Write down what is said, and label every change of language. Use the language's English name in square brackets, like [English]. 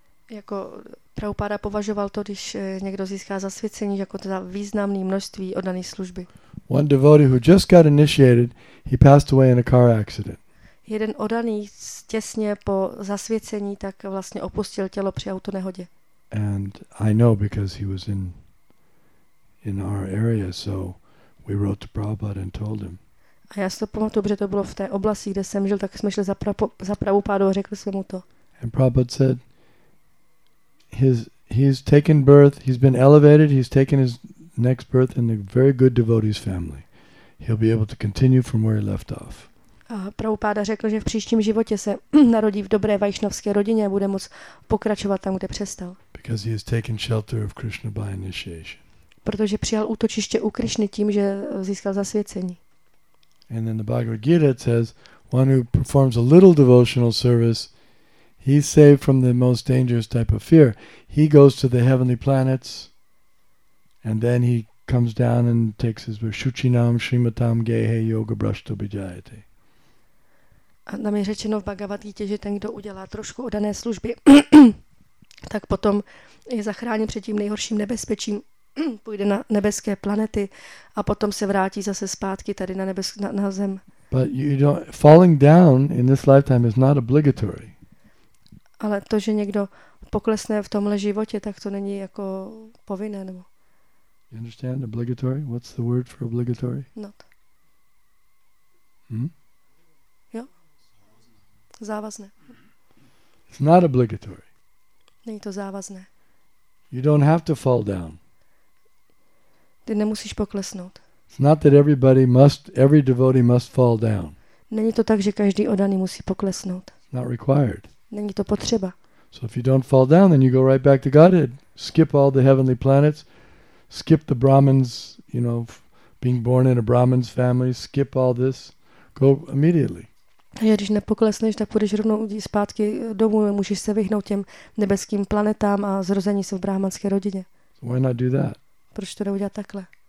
[Czech] Jako Prabhupada považoval to, když někdo získá zasvěcení, jako to za významné množství oddané služby. [English] One devotee who just got initiated, he passed away in a car accident. [Czech] Jeden oddaný těsně po zasvěcení tak vlastně opustil tělo při autonehodě. [English] And I know because he was in our area, so we wrote to Prabhupada and told him. [Czech] A já si to pamatuju, protože to bylo v té oblasti, kde jsem žil, tak jsme šli za Prabhupádou a řekli jsme mu to. [English] And Prabhupada said, he's taken birth, he's been elevated, he's taken his next birth in a very good devotee's family. He'll be able to continue from where he left off. [Czech] A Prabhupáda řekl, že v příštím životě se narodí v dobré vaišnavské rodině a bude moct pokračovat tam, kde přestal. [English] Because he has taken shelter of Krishna by initiation. [Czech] Protože přijal útočiště u Krišny tím, že získal zasvěcení. [English] And then the Bhagavad Gita says, one who performs a little devotional service, he's saved from the most dangerous type of fear. He goes to the heavenly planets, and then he comes down and takes his [Sanskrit] Shuchinam, Shrimatam, Gehe, Yoga, Brashto, Bijayate. [Czech] A nám je řečeno v Bhagavad Gita, že ten, kdo udělá trošku oddané služby, tak potom je zachráněn před tím nejhorším nebezpečím, půjde na nebeské planety a potom se vrátí zase zpátky tady na zem. [English] But you don't, falling down in this lifetime is not obligatory. [Czech] Ale to, že někdo poklesne v tomhle životě, tak to není jako povinné, nebo? [English] You understand obligatory? What's the word for obligatory? Not. Hmm? [Czech] Jo? Závazné. [English] It's not obligatory. [Czech] Není to závazné. [English] You don't have to fall down. [Czech] Ty nemusíš poklesnout. [English] It's not that everybody must, every devotee must fall down. [Czech] Není to tak, že každý oddaný musí poklesnout. [English] Not required. [Czech] Není to potřeba. [English] So if you don't fall down, then you go right back to Godhead. Skip all the heavenly planets. Skip the Brahmins, you know, being born in a Brahmin's family. Skip all this. Go immediately. [Czech] A když nepoklesneš, tak půjdeš rovnou zpátky domů. Můžeš se vyhnout těm nebeským planetám a zrození se v brahmanské rodině. [English] So why not do that? [Czech] Proč to neudělat takhle?